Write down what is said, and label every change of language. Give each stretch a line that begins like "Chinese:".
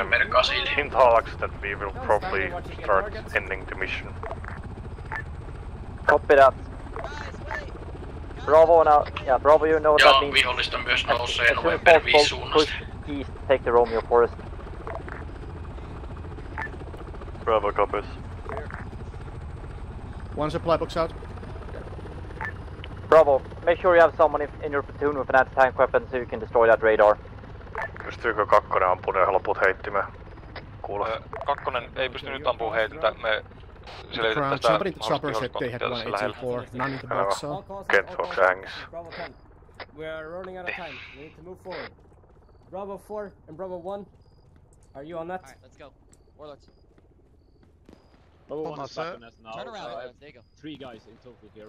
English: I'm kind of running out of time, so I'm in talks that we will probably start ending the mission. Copy that. Bravo now, yeah, Bravo, you know that means...
Finnish: Joo, vihollista myös nousee November 5 suunnasta.
English: Push east, take the Romeo forest. Bravo, copies. One supply box out. Bravo, make sure you have someone in your platoon with an anti-tank weapon so you can destroy that radar.
Finnish: Pystyykö kakkonen ampuu ne loput heittimeen? Kuule. Kakkonen ei pysty nyt ampuu heitintä, me...
English: Somebody in the chopper said they had 184, none in the box, so... Can't talk to Angus. We are running out of time, we need to move forward. Bravo 4 and Bravo 1, are you on that? Alright, let's go. Warlocks. Bravo 1 is back on us now. Turn around. There you go. Three guys in total here.